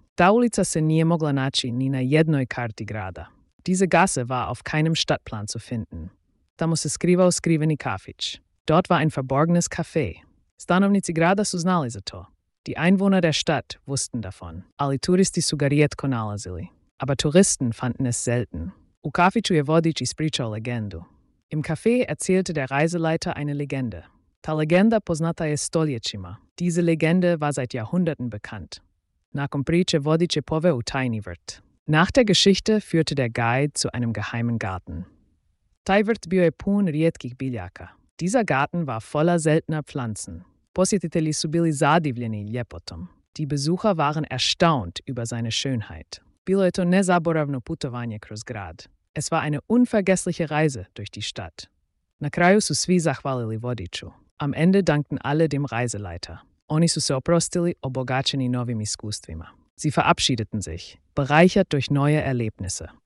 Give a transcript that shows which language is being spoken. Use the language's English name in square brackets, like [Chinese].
[Croatian] Ta ulica se nije mogla naći ni na jednoj karti grada. [German] Diese Gasse war auf keinem Stadtplan zu finden. [Croatian] Tamo se skrivao skriveni kafić. [German] Dort war ein verborgenes Café. [Croatian] Stanovnici grada su znali za to. [German] Die Einwohner der Stadt wussten davon. [Croatian] Ali turisti su ga rijetko nalazili. [German] Aber Touristen fanden es selten. [Croatian] U kafiću je vodič ispričao legendu. [German] Im Café erzählte der Reiseleiter eine Legende. [Croatian] Ta legenda poznata je stoljećima. [German] Diese Legende war seit Jahrhunderten bekannt. [Croatian] Nakon priče vodič je poveo u tajni vrt. [German] Nach der Geschichte führte der Guide zu einem geheimen Garten. [Croatian] Taj vrt bio je pun rijetkih biljaka. [German] Dieser Garten war voller seltener Pflanzen. [Croatian] Posjetitelji su bili zadivljeni ljepotom. [German] Die Besucher waren erstaunt über seine Schönheit. [Croatian] Bilo je to nezaboravno putovanje kroz grad. [German] Es war eine unvergessliche Reise durch die Stadt. [Croatian] Na kraju su svi zahvalili vodiču. [German] Am Ende dankten alle dem Reiseleiter. [Croatian] Oni su se oprostili obogačeni novim iskustvima. [German] Sie verabschiedeten sich, bereichert durch neue Erlebnisse.